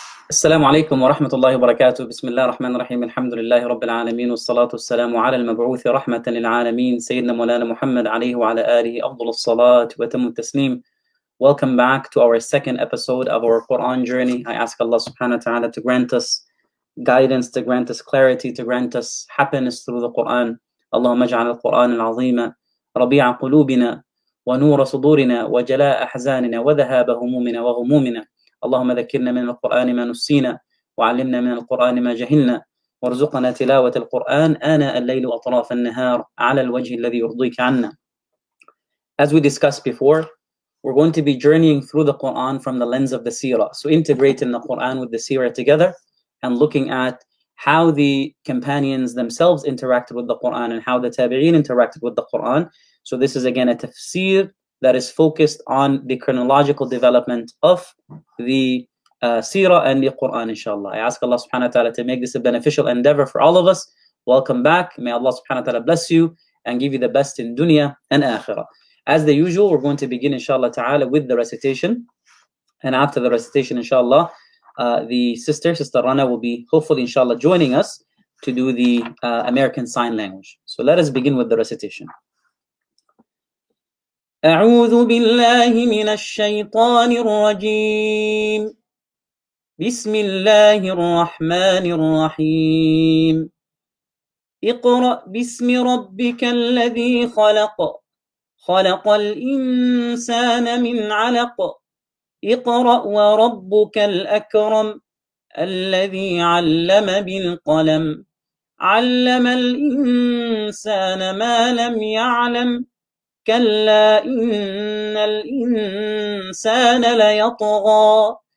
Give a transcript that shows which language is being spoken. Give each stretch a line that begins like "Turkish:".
Arabic: السلام عليكم ورحمة الله وبركاته. بسم الله الرحمن الرحيم، الحمد لله رب العالمين، والصلاة والسلام على المبعوث رحمة للعالمين سيدنا مولانا محمد عليه وعلى آله أفضل الصلاة وأتم التسليم.
English: Welcome back to our second episode of our Quran journey. I ask Allah subhanahu wa ta'ala to grant us guidance, to grant us clarity, to grant us happiness through the Quran.
Arabic: اللهم اجعل القرآن العظيم ربيع قلوبنا ونور صدورنا وجلاء أحزاننا وذهاب همومنا وغمومنا. اللهم ذكرنا من القرآن ما نسينا وعلمنا من القرآن ما جهلنا وارزقنا تلاوة القرآن آناء الليل وأطراف النهار على الوجه الذي يرضيك عنا.
English: As we discussed before, we're going to be journeying through the Quran from the lens of the seerah. So integrating the Quran with the seerah together and looking at how the companions themselves interacted with the Quran and how the tabi'een interacted with the Quran. So this is again a tafsir that is focused on the chronological development of the seerah and the Quran, inshallah. I ask Allah subhanahu wa ta'ala to make this a beneficial endeavor for all of us. Welcome back. May Allah subhanahu wa ta'ala bless you and give you the best in dunya and akhirah. As the usual, we're going to begin, inshallah ta'ala, with the recitation. And after the recitation, inshallah, the sister Rana will be hopefully, inshallah, joining us to do the American Sign Language. So let us begin with the recitation.
Arabic: أعوذ بالله من الشيطان الرجيم بسم الله الرحمن الرحيم اقرأ باسم ربك الذي خلق خلق الإنسان من علق اقرأ وربك الأكرم الذي علم بالقلم علم الإنسان ما لم يعلم كلا إن الإنسان ليطغى